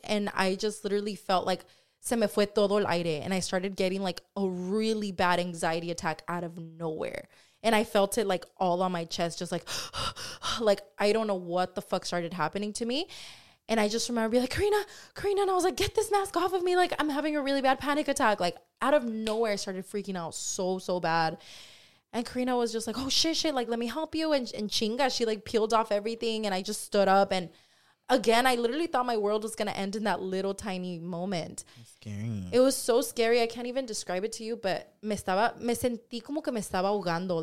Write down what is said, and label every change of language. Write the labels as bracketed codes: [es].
[en] And I just literally felt like [es] se me fue todo el aire. [en] And I started getting like a really bad anxiety attack out of nowhere. And I felt it like all on my chest, just like, like, I don't know what the fuck started happening to me. And I just remember being like, Karina, Karina. And I was like, get this mask off of me. Like, I'm having a really bad panic attack. Like, out of nowhere, I started freaking out so, so bad. And Karina was just like, oh, shit, shit. Like, let me help you. And chinga, she like peeled off everything. And I just stood up. And again, I literally thought my world was going to end in that little tiny moment. It was so scary. I can't even describe it to you. [es] But me sentí como que me estaba ahogando.